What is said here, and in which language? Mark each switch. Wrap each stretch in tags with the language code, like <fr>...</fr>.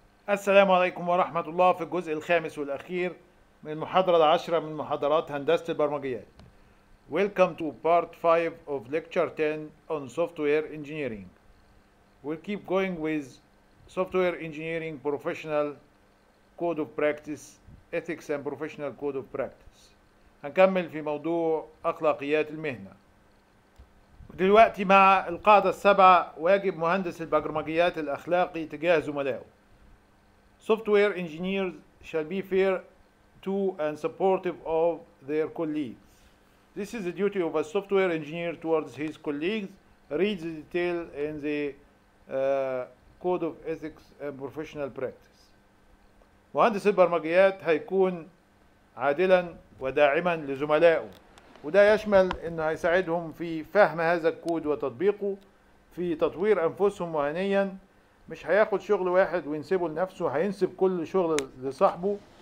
<ar>السلام عليكم ورحمة الله. في الجزء الخامس والأخير من المحاضرة العاشرة من محاضرات هندسة البرمجيات.</ar> <en>Welcome to part 5 of lecture 10 on software engineering. We'll keep going with software engineering professional code of practice, ethics and professional code of practice.</en> <ar>هنكمل في موضوع أخلاقيات المهنة. دلوقتي مع القاعدة السابعة، واجب مهندس البرمجيات الأخلاقي تجاه زملائه.</ar> <en>Software engineers shall be fair to and supportive of their colleagues. This is the duty of a software engineer towards his colleagues. Read the detail in the Code of Ethics and Professional Practice.</en> <ar>مهندس البرمجيات هيكون عادلا وداعما لزملائه، وده يشمل انه هيساعدهم في فهم هذا الكود وتطبيقه، في تطوير انفسهم مهنيا. مش هياخد شغل واحد وينسبه لنفسه، هينسب كل شغل لصاحبه.</ar>